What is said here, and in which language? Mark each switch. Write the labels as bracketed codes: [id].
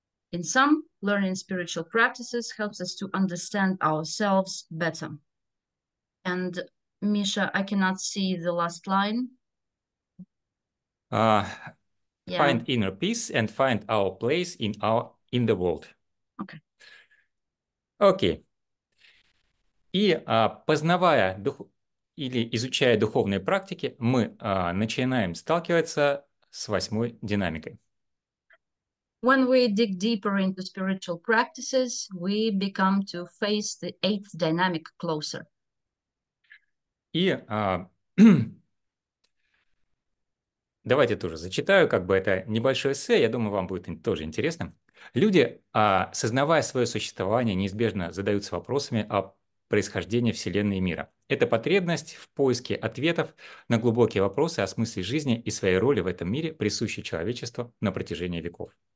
[en] In sum, learning spiritual practices helps us to understand ourselves better. And Misha, I cannot see the last line. Find inner peace and find our place in our in the world. Okay. [ru] И познавая или изучая духовные практики, мы начинаем сталкиваться с восьмой динамикой. [en] When we dig deeper into spiritual practices, we become to face the eighth dynamic closer. [ru] И давайте тоже зачитаю, как бы это небольшое эссе, я думаю, вам будет тоже интересно. Люди, осознавая свое существование, неизбежно задаются вопросами о происхождении Вселенной и мира. Это потребность в поиске ответов на глубокие вопросы о смысле жизни и своей роли в этом мире, присущей человечеству на протяжении веков.